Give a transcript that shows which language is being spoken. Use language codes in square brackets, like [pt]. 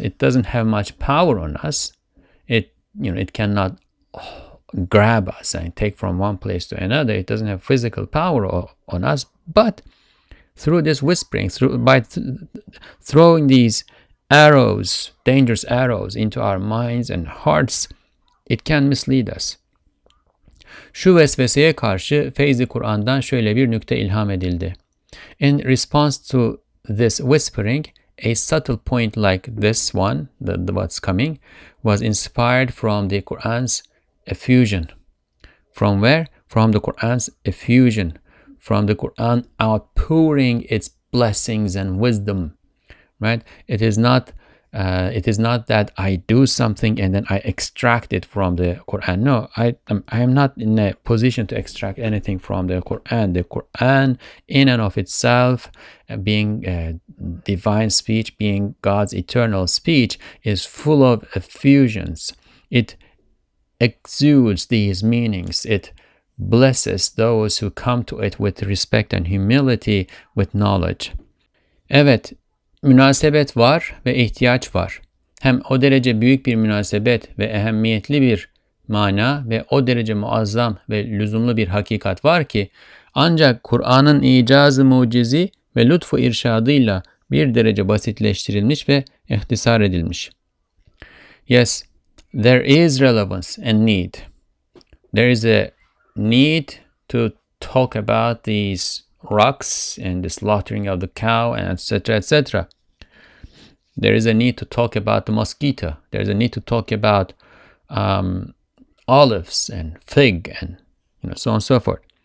[en] It doesn't have much power on us. It cannot grab us and take from one place to another. It doesn't have physical power on us, but through this whispering, throwing these arrows, dangerous arrows, into our minds and hearts, it can mislead us. [tr] Şu vesveseye karşı feyzi Kur'an'dan şöyle bir nükte ilham edildi. [en] In response to this whispering, a subtle point like this one, the what's coming, was inspired from the Quran's effusion. From where? From the Quran's effusion. From the Quran outpouring its blessings and wisdom, right? It is not that I do something and then I extract it from the Quran. No, I am not in a position to extract anything from the Quran. The Quran, in and of itself, being divine speech, being God's eternal speech, is full of effusions. It exudes these meanings. It blesses those who come to it with respect and humility, with knowledge. [tr] Evet, münasebet var ve ihtiyaç var. Hem o derece büyük bir münasebet ve ehemmiyetli bir mana ve o derece muazzam ve lüzumlu bir hakikat var ki, ancak Kur'an'ın icazı mucizi ve lütfu irşadıyla bir derece basitleştirilmiş ve ihtisar edilmiş. [en] Yes, there is relevance and need. There is a need to talk about these rocks and the slaughtering of the cow, and etc., etc. There is a need to talk about the mosquito. There is a need to talk about olives and fig, and you know, so on and so forth.